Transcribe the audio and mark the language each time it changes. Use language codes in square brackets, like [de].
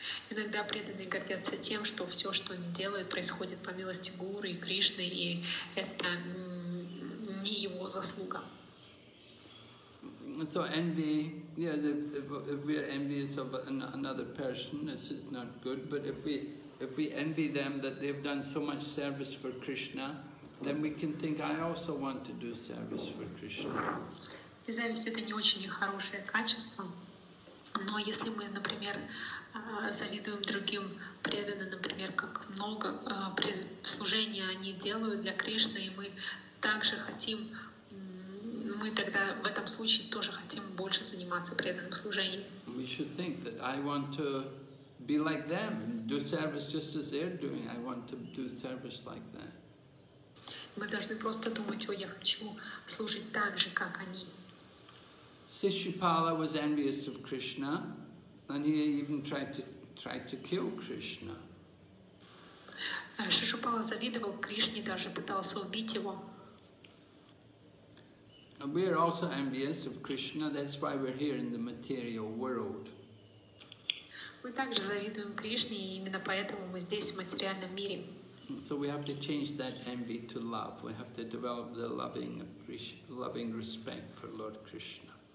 [ru] Иногда преданные гордятся тем, что все, что они делают, происходит по милости Гуру и Кришны, и это не его заслуга. [en] So envy, yeah, if we are envious of another person, this is not good. But if we envy them that they've done so much service for Krishna, then we can think, I also want to do service for Krishna. [ru] И зависть — это не очень хорошее качество, но если мы, например, завидуем другим преданным, например, как много служения они делают для Кришны, и мы также хотим, мы тогда в этом случае тоже хотим больше заниматься преданным служением. [en] We should think that I want to be like them, do service just as they're doing. I want to do service like them. [ru] Мы должны просто думать: о, я хочу служить так же, как они. [en] Сишупала was envious of Krishna, and he even tried to kill Krishna. [ru] Шишупала завидовал Кришне, даже пытался убить его. [en] And we are also envious of Krishna, that's why we're here in the material world. [ru] Мы также завидуем Кришне, и именно поэтому мы здесь, в материальном мире. [en] So we have to change that envy to love. We have to develop the loving respect for Lord Krishna.